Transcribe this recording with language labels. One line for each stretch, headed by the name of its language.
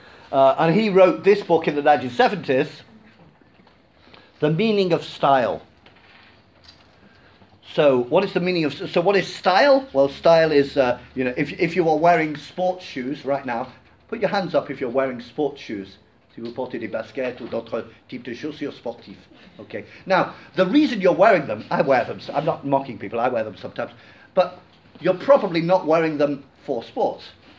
English: And he wrote this book in the 1970s, The Meaning of Style. So what is the meaning of... So what is style? Well, style is, you know, if you are wearing sports shoes right now, put your hands up if you're wearing sports shoes.
French: Si vous portez des baskets ou d'autres types de chaussures sportives.
English: Okay. Now, the reason you're wearing them, I wear them. I'm not mocking people. I wear them sometimes. But you're probably not wearing them for sports.